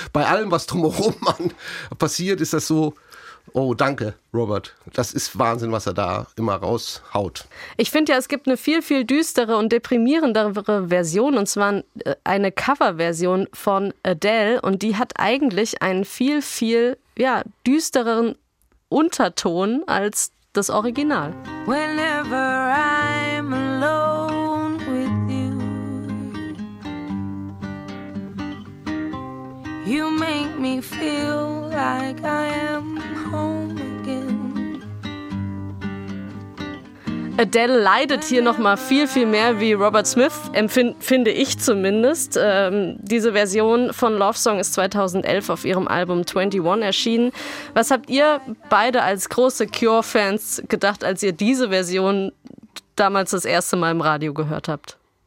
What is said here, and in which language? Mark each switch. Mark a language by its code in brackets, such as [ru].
[de] Bei allem, was drumherum passiert, ist das so, oh danke, Robert, das ist Wahnsinn, was er da immer raushaut. Ich finde ja, es gibt eine viel, viel düstere und deprimierendere Version und zwar eine Coverversion von Adele und die hat eigentlich einen viel, viel ja, düstereren Unterton als das Original. [en] Whenever I'm alone with you, you make me feel like I am home again. [de] Adele leidet hier nochmal viel, viel mehr wie Robert Smith, finde ich zumindest. Diese Version von Love Song ist 2011 auf ihrem Album 21 erschienen. Was habt ihr beide als große Cure-Fans gedacht, als ihr diese Version damals das erste Mal im Radio gehört habt?